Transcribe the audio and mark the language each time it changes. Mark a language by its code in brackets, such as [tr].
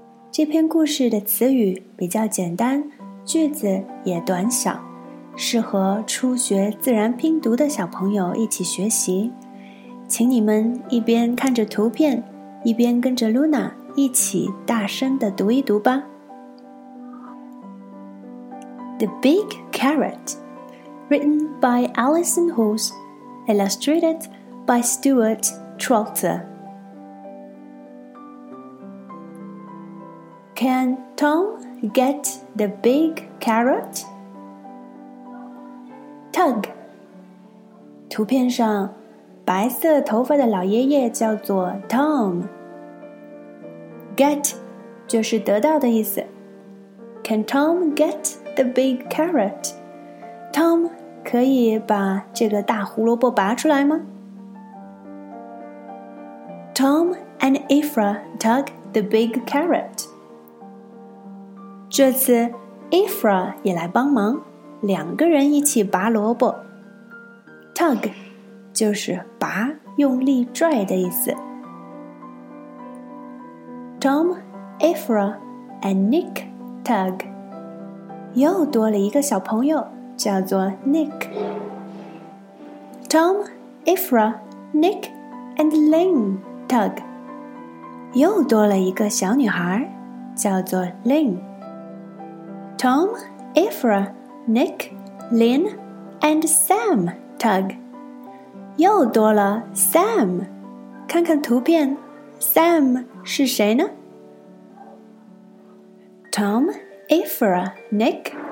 [zh] 这篇故事的词语比较简单，句子也短小，适合初学自然拼读的小朋友一起学习。请你们一边看着图片，一边跟着 Luna 一起大声地读一读吧。 [en] The Big Carrot, written by Allison Hulse, illustrated by Stuart Trotter. Can Tom get the big carrot? Tug. [zh] 图片上，白色头发的老爷爷叫做 Tom. Get 就是得到的意思。 [en] Can Tom get the big carrot? [zh] Tom 可以把这个大胡萝卜拔出来吗？ [en] Tom and Ifra tug the big carrot. [zh] 这次 Ifra 也来帮忙，两个人一起拔萝卜。 Tug 就是拔，用力拽的意思。 [en] Tom, Ifra and Nick tug. [zh] 又多了一个小朋友，叫做 Nick。 [en] Tom, Ifra, Nick, and Lynn tug. [zh] 又多了一个小女孩，叫做 Lynn。 [en] Tom, Ifra, Nick, Lynn, and Sam tug. [zh] 又多了 Sam。看看图片 ，Sam 是谁呢 ？Tom, Ifra, Nick.